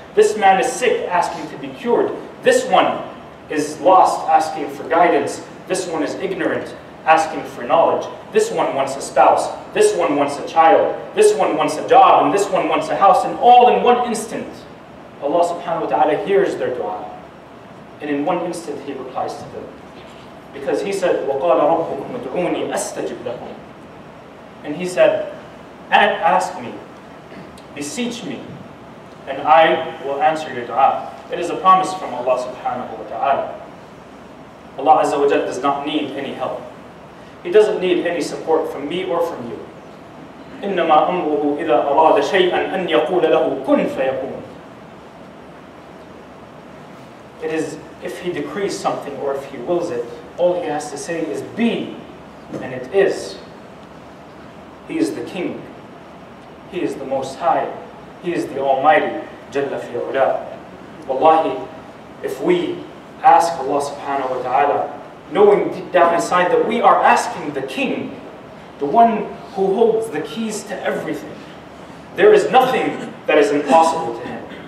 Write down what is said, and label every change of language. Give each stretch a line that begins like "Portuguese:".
English: This man is sick, asking to be cured. This one is lost, asking for guidance. This one is ignorant, asking for knowledge. This one wants a spouse. This one wants a child. This one wants a job. And this one wants a house. And all in one instant, Allah subhanahu wa ta'ala hears their dua. And in one instant, He replies to them. Because he said,
Arabic: وَقَالَ رَبُّكُمْ ادْعُونِي أَسْتَجِبْ لَكُمْ.
English: And he said, ask me, beseech me, and I will answer your dua. It is a promise from Allah subhanahu wa ta'ala. Allah azza wa jalla does not need any help. He doesn't need any support from me or from you.
Arabic: إِنَّمَا أَمْرُهُ إِذَا أَرَادَ شَيْئًا أَنْ يَقُولَ لَهُ كُنْ فَيَكُونَ.
English: It is if he decrees something or if he wills it, all he has to say is be, and it is. He is the King. He is the Most High. He is the Almighty,
Arabic: Jalla fi ula.
English: Wallahi, if we ask Allah subhanahu wa ta'ala, knowing deep down inside that we are asking the King, the one who holds the keys to everything, there is nothing that is impossible to him.